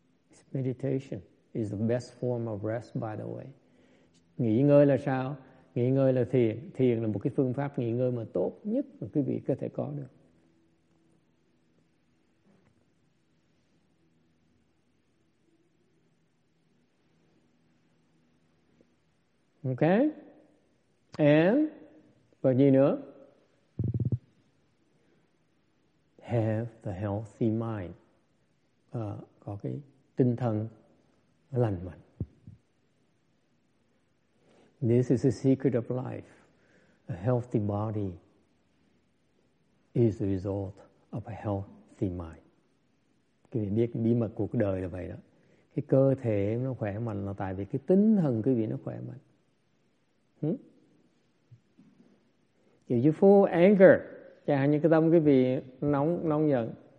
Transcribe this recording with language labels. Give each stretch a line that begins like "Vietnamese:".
English: It's meditation is the best form of rest, by the way.
Vietnamese: Nghỉ ngơi là sao? Nghỉ ngơi là thiền. Thiền là một cái phương pháp nghỉ ngơi mà tốt nhất mà quý vị có thể có được. Okay? And và gì nữa?
English: Have the healthy mind.
Vietnamese: Có cái tinh thần lành mạnh.
English: This is the secret of life. A healthy body is the result of a healthy mind.
Vietnamese: Quý vị biết bí mật cuộc đời là vậy đó. Cái cơ thể nó khỏe mạnh là tại vì cái tinh thần quý vị nó khỏe mạnh.
English: If you feel anger,
Vietnamese: chẳng hạn như cái tâm quý vị nóng giận.